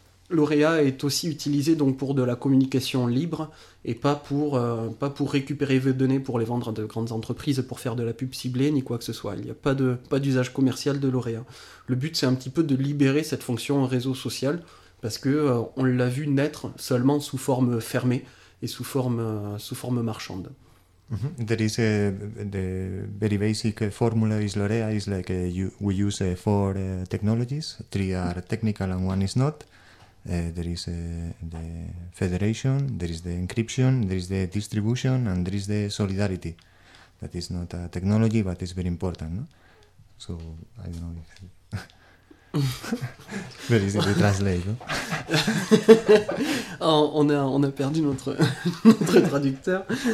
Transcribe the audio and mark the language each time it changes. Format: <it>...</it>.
<fr>Lorea est aussi utilisé donc pour de la communication libre et pas pour récupérer vos données pour les vendre à de grandes entreprises pour faire de la pub ciblée ni quoi que ce soit. Il n'y a pas d'usage commercial de Lorea. Le but, c'est un petit peu de libérer cette fonction en réseau social parce que on l'a vu naître seulement sous forme fermée et sous forme marchande. Mm-hmm.</fr> <en>There is the very basic formula is Lorea is like we use four technologies. Three are technical and one is not. There is the federation, there is the encryption, there is the distribution, and there is the solidarity. That is not a technology, but it's very important, no? So, I don't know if... very easy to translate, no?</en> <fr>on a perdu notre traducteur.</fr>